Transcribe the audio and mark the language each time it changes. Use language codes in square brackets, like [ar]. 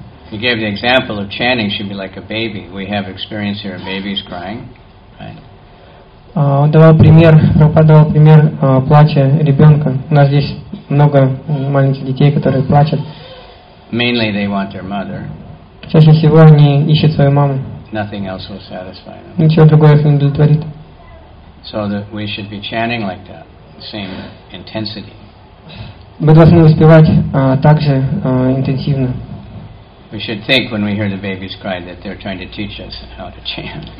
[en] He gave the example of chanting should be like a baby. We have experience here, a baby is crying. [ru] Он давал пример, подавал пример плача ребенка. У нас здесь много маленьких детей, которые плачут. [en] Mainly they want their mother. [ru] Чаще всего они ищут свою маму. [en] Nothing else will satisfy them. [ru] Ничего другое их не удовлетворит. [en] So that we should be chanting like that, same intensity. [ru] Мы должны воспевать так же интенсивно. [en] We should think when we hear the baby's cry that they're trying to teach us how to chant.